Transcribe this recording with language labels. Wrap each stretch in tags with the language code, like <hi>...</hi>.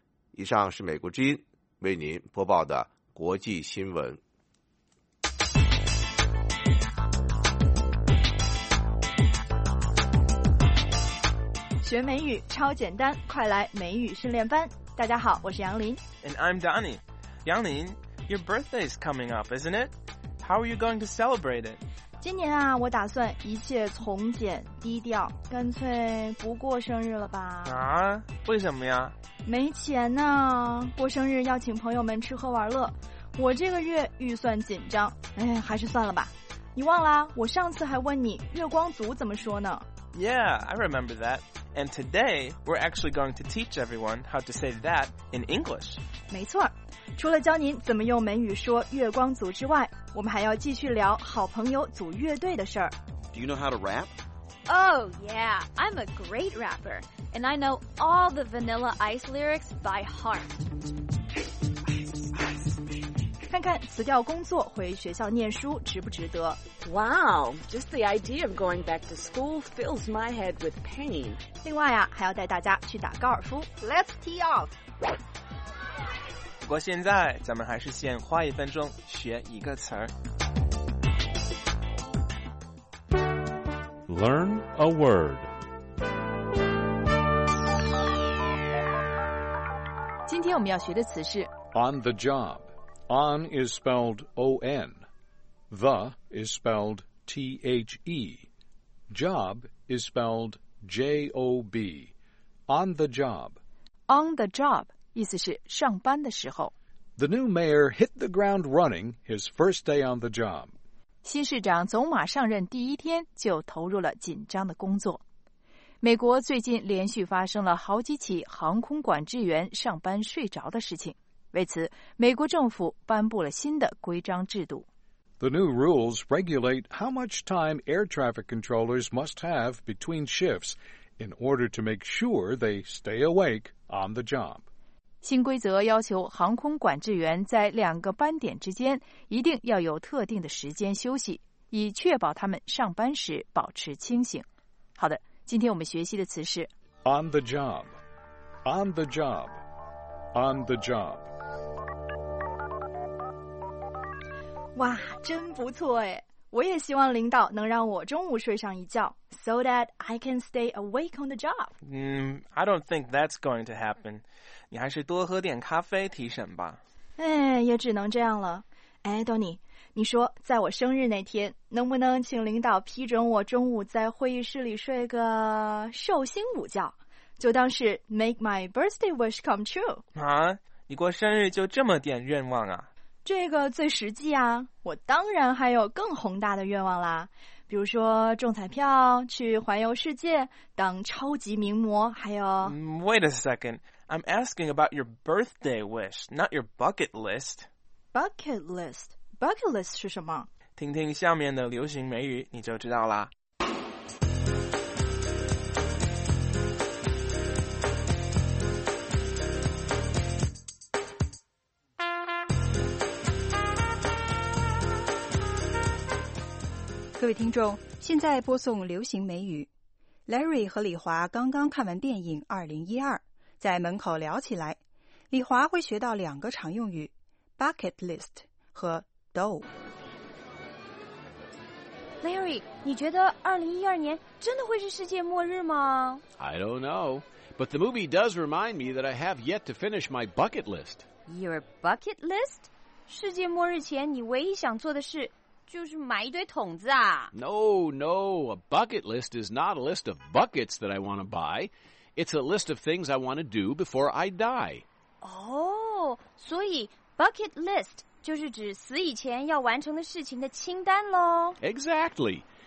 <zh>以上是美国之音为您播报的国际新闻。学美语超简单，快来美语训练班。大家好，我是杨林。</zh> <en>And I'm Donnie. 杨林， your birthday is coming up, isn't it? How are you going to celebrate it?</en> <zh>今年啊，我打算一切从简低调，干脆不过生日了吧。啊，为什么呀？没钱呢，过生日要请朋友们吃喝玩乐，我这个月预算紧张，哎，还是算了吧。你忘了，我上次还问你月光族怎么说呢？</zh> <en>Yeah, I remember that. And today, we're actually going to teach everyone how to say that in English.</en> <zh>没错，除了教您怎么用美语说月光族之外，我们还要继续聊好朋友组乐队的事儿。</zh> <en>Do you know how to rap? Oh yeah, I'm a great rapper. And I know all the Vanilla Ice lyrics by heart.</en> <zh>看看辞掉工作回学校念书值不值得。</zh> <en>Wow, just the idea of going back to school fills my head with pain.</en> <zh>另外啊，还要带大家去打高尔夫。</zh> <en>Let's tee off.</en> <zh>不过现在咱们还是先花一分钟学一个词儿。</zh> <en>Learn a word.</en> <zh>今天我们要学的词是</zh> <en>On the job. On is spelled O-N. The is spelled T-H-E. Job is spelled J-O-B. On the job.</en> <zh>On the job, 意思是上班的时候。</zh> <en>The new mayor hit the ground running his first day on the job.</en> <zh>新市长走马上任第一天就投入了紧张的工作。美国最近连续发生了好几起航空管制员上班睡着的事情。为此，美国政府颁布了新的规章制度。</zh> <en>The new rules regulate how much time air traffic controllers must have between shifts in order to make sure they stay awake on the job.</en> <zh>新规则要求航空管制员在两个班点之间一定要有特定的时间休息，以确保他们上班时保持清醒。好的，今天我们学习的词是</zh> <en>On the job, on the job, on the job.</en> <zh>哇，真不错哎！我也希望领导能让我中午睡上一觉 ，</zh> <en>so that I can stay awake on the job. I don't think that's going to happen.</en> <zh>你还是多喝点咖啡提神吧。哎，也只能这样了。哎 ，Donnie， 你说在我生日那天，能不能请领导批准我中午在会议室里睡个寿星午觉，就当是</zh> <en>make my birthday wish come true？</en> <zh>啊，你过生日就这么点愿望啊？这个最实际啊，我当然还有更宏大的愿望啦，比如说中彩票、去环游世界、当超级名模，还有。</zh> <en>Wait a second, I'm asking about your birthday wish, not your bucket list. Bucket list? Bucket list</en> <zh>是什么？听听下面的流行美语，你就知道啦。各位听众，现在播送流行美语。 Larry 和李华刚刚看完电影2012，在门口聊起来，李华会学到两个常用语 bucket list 和 dough。 Larry， 你觉得2012年真的会是世界末日吗？</zh> <en>I don't know, but the movie does remind me that I have yet to finish my bucket list. Your bucket list?</en> <zh>世界末日前你唯一想做的事就是买一堆桶子啊。</zh> <en>No, no, a bucket list is not a list of buckets that I want to buy. It's a list of things I want to do before I die.</en> <zh>Oh, 所以 bucket list 就是指死以前要完成的事情的清单咯。</zh> <en>Exactly.</en>